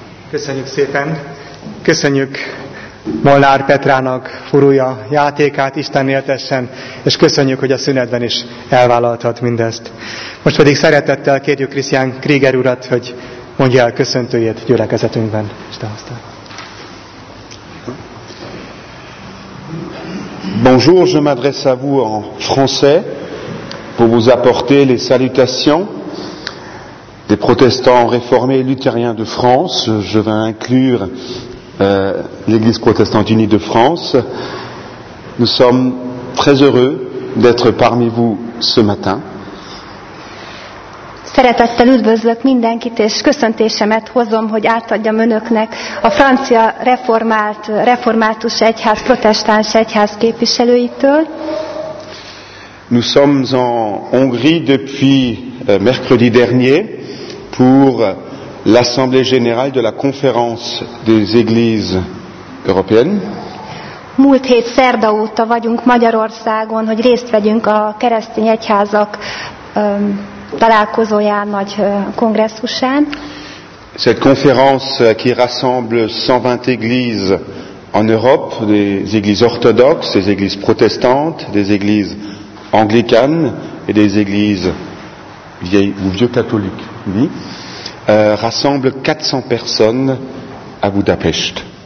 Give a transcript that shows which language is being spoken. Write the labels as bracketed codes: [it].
[hu] Köszönjük szépen. Köszönjük Molnár Petrának furulya játékát, Isten éltessen, és köszönjük, hogy a szünetben is elvállalhat mindezt. Most pedig szeretettel kérjük Krisztián Krieger urat, hogy mondja el köszöntőjét gyülekezetünkben. Isten hozta. [fr] Bonjour, je m'adresse à vous en français pour vous apporter les salutations des protestants réformés luthériens de France. Je vais inclure l'Église protestante unie de France. Nous sommes très heureux d'être parmi vous ce matin. [hu] Szeretettel üdvözlök mindenkit, és köszöntésemet hozom, hogy átadjam önöknek a francia református egyház, protestáns egyház képviselőitől. [fr] Nous sommes en Hongrie depuis mercredi dernier pour l'Assemblée générale de la Conférence des Églises européennes. [hu] Múlt hét szerda óta vagyunk Magyarországon, hogy részt vegyünk a keresztény egyházak találkozóján, nagy kongresszusán. [fr] Cette conférence qui rassemble 120 églises en Europe, des églises orthodoxes, des églises protestantes, des églises anglicanes et des églises vieilles ou vieux catholiques, oui, rassemble 400 personnes à Budapest.